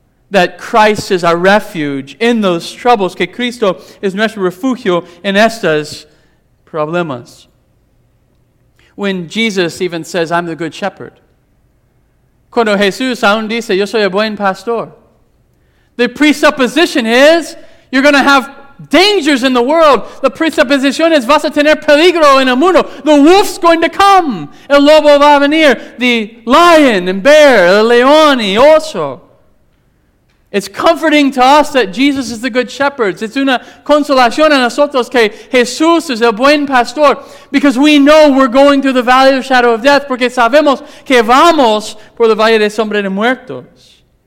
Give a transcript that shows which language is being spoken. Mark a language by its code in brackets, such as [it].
[en] That Christ is our refuge in those troubles. [es] Que Cristo es nuestro refugio en estas problemas. [en] When Jesus even says, I'm the good shepherd. [es] Cuando Jesús aún dice, yo soy el buen pastor. [en] The presupposition is, you're going to have dangers in the world. The presupposition is, [es] vas a tener peligro en el mundo. [en] The wolf's going to come. [es] El lobo va a venir. [en] The lion and bear, [es] el león y oso. [en] It's comforting to us that Jesus is the good shepherd. It's [es] una consolación a nosotros que Jesús es el buen pastor. [en] Because we know we're going through the valley of the shadow of death. [es] Porque sabemos que vamos por el valle de sombra de muertos.